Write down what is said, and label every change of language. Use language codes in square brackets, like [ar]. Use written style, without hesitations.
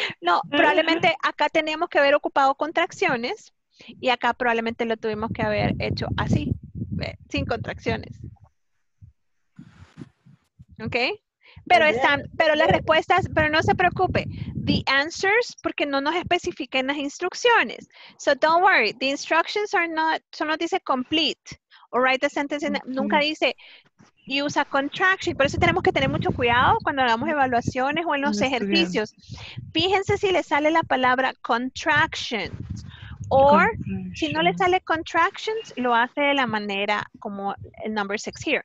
[es] No, probablemente acá teníamos que haber ocupado contracciones y acá probablemente lo tuvimos que haber hecho así, sin contracciones. ¿Ok? Pero están, pero las respuestas, pero no se preocupe. [en] The answers, [es] porque no nos especifican las instrucciones. [en] So don't worry, the instructions are not, [es] solo dice [en] complete. Or write the sentence, [es] nunca dice [en] use a contraction. [es] Por eso tenemos que tener mucho cuidado cuando hagamos evaluaciones o en los ejercicios. Fíjense si le sale la palabra contractions. Or, si no le sale contractions, lo hace de la manera como el [en] number 6 here.